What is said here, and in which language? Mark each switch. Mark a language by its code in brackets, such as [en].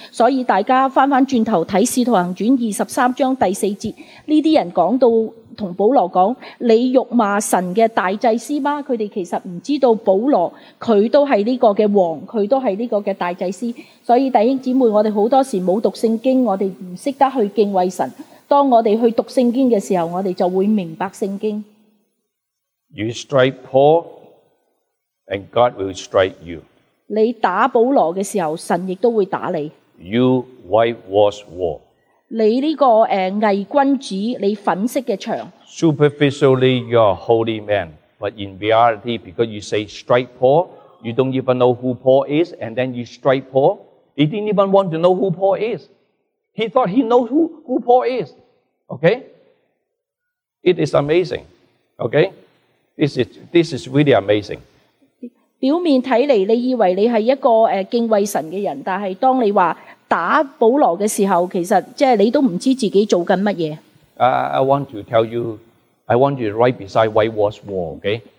[yue] 所以大家翻翻转头睇《使徒行传》二十三章第四节，呢啲人讲到同保罗讲：你辱骂神嘅大祭司吗？佢哋其实唔知道保罗佢都系呢个嘅王，佢都系呢个嘅大祭司。所以弟兄姊妹，我哋好多时冇读圣经，我哋唔识得去敬畏神。当我哋去读圣经嘅时候，我哋就会明白圣经。 [en] You strike Paul, and God will strike you. [yue] 你打保罗嘅时候，神亦都会打你。 [en] You whitewash wall. [yue] 你呢、这个伪君子，你粉色嘅墙。 [en] Superficially, you are a holy man, but in reality, because you say strike Paul, you don't even know who Paul is, and then you strike Paul. He didn't even want to know who Paul is. He thought he knows who Paul is. Okay? It is amazing. Okay? This is really amazing. [yue] 表面睇嚟，你以为你系一个敬畏神嘅人，但系当你话打保罗嘅时候，其实即系你都唔知自己做紧乜嘢。 [en] I want to tell you, I want you to write beside whitewash wall, okay?